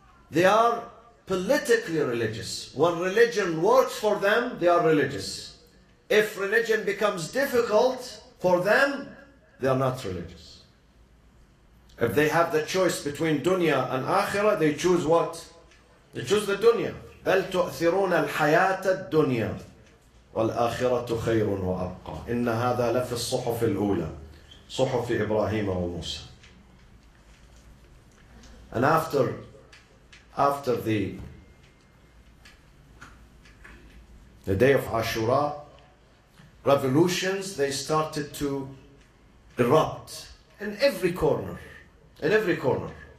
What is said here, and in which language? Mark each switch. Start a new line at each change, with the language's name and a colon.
English: They are politically religious. When religion works for them, they are religious. If religion becomes difficult for them, they are not religious. If they have the choice between dunya and akhirah, they choose what? They choose the dunya.
Arabic: بل تؤثرون الحياة الدنيا والآخرة خير وأبقى. إن هذا لفي الصحف الأولى، صحف إبراهيم وموسى.
English: And after the day of Ashura, revolutions, they started to erupt in every corner, in every corner.